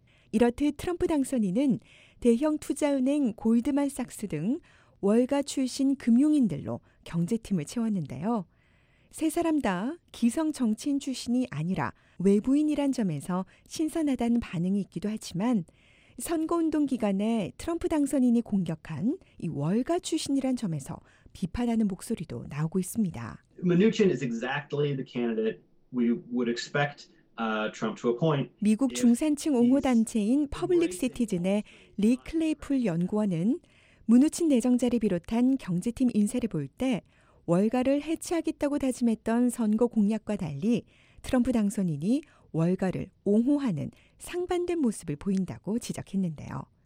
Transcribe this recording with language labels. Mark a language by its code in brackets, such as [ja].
[ko] 이렇듯 트럼프 당선인은 대형 투자은행 골드만삭스 등 월가 출신 금융인들로 경제팀을 채웠는데요. 세 사람 다 기성 정치인 출신이 아니라 외부인이란 점에서 신선하다는 반응이 있기도 하지만 선거운동 기간에 트럼프 당선인이 공격한 이 월가 출신이란 점에서 비판하는 목소리도 나오고 있습니다. [en] Mnuchin is exactly the candidate we would expect Trump to appoint. [ko] 미국 중산층 옹호단체인 퍼블릭 시티즌의 리 클레이풀 연구원은 무누친 내정자를 비롯한 경제팀 인사를 볼 때 월가를 해체하겠다고 다짐했던 선거 공약과 달리 트럼프 당선인이 월가를 옹호하는 상반된 모습을 보인다고 지적했는데요.